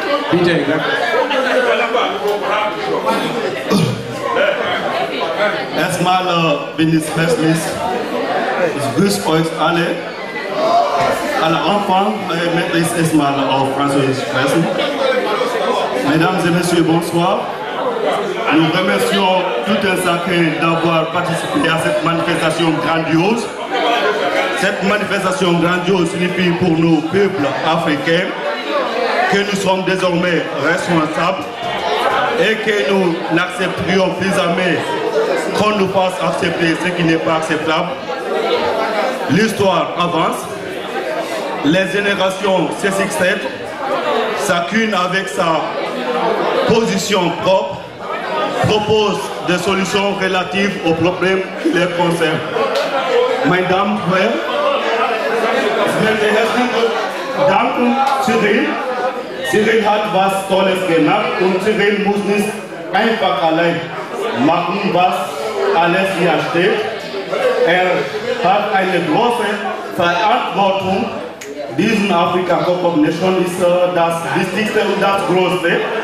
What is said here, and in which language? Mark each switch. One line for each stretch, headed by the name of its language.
German: Bitte. Ne? Erstmal bin ich festlich. Ich grüße euch alle. Alle Anfang möchte ich erstmal auf Französisch sprechen.
French: Mesdames et Messieurs, bonsoir. Nous remercions tout un chacun d'avoir participé à cette manifestation grandiose. Cette manifestation grandiose signifie pour nos peuples africains que nous sommes désormais responsables et que nous n'accepterions plus jamais qu'on nous fasse accepter ce qui n'est pas acceptable. L'histoire avance, les générations se succèdent, chacune avec sa position propre, propose des solutions relatives aux problèmes qui les concernent. Mesdames, Frères, je vais vous remercier Cyril.
German: Cyril hat was Tolles gemacht und Cyril muss nicht einfach allein machen, was alles hier steht. Er hat eine große Verantwortung. Diesen Afrika Cocop Nation ist das Wichtigste und das Größte.